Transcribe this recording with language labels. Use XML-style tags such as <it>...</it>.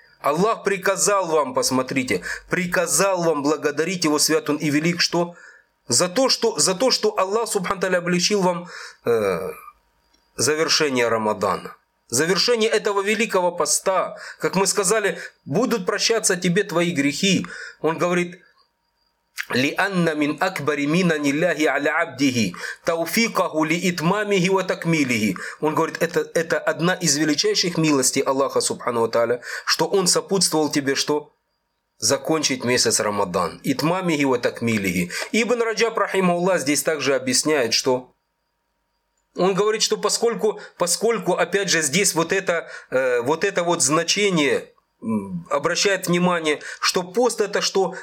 <ru>Аллах приказал вам, посмотрите, приказал вам благодарить его свят он и велик, что? За то, что Аллах субхан таля облегчил вам завершение Рамадана. Завершение этого великого поста. Как мы сказали, будут прощаться тебе твои грехи. Он говорит,</ru> <ar>لِأَنَّ مِنْ أَكْبَرِ مِنَ نِلَّهِ عَلَى عَبْدِهِ تَوْفِيقَهُ لِإِتْمَامِهِ وَتَكْمِلِهِ.</ar> <ru>Он говорит, это одна из величайших милостей Аллаха субхану ва тааля, что Он сопутствовал тебе, что? Закончить месяц Рамадан.</ru> <ar>إِتْمَامِهِ وَتَكْمِلِهِ.</ar> <ru>Ибн Раджаб рахимахуллах здесь также объясняет, что он говорит, что поскольку опять же здесь вот это значение обращает внимание, что пост – это что?</ru>